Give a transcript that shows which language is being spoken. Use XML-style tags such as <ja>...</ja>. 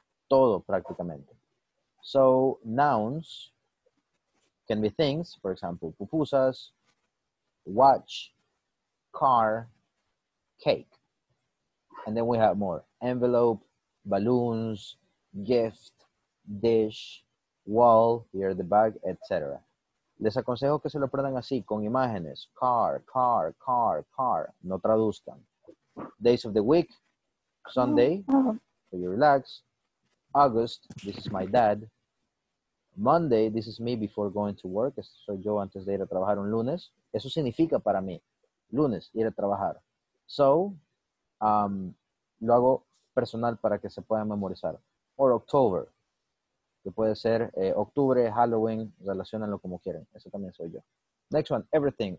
<es>Todo prácticamente.</es> <en>So, nouns can be things, for example, pupusas, watch, car, cake. And then we have more. Envelope, balloons, gift, dish, wall, here the bag, etc.</en> <es>Les aconsejo que se lo aprendan así, con imágenes.</es> <en>Car, car, car, car.</en> <es>No traduzcan.</es> <en>Days of the week, Sunday, so you relax. August, this is my dad. Monday, this is me before going to work.</en> <es>Eso soy yo antes de ir a trabajar un lunes. Eso significa para mí, lunes, ir a trabajar. So, lo hago personal para que se pueda memorizar. Or October, que puede ser octubre, Halloween, relacionenlo como quieran. Eso también soy yo.</es> <en>Next one, everything.</en>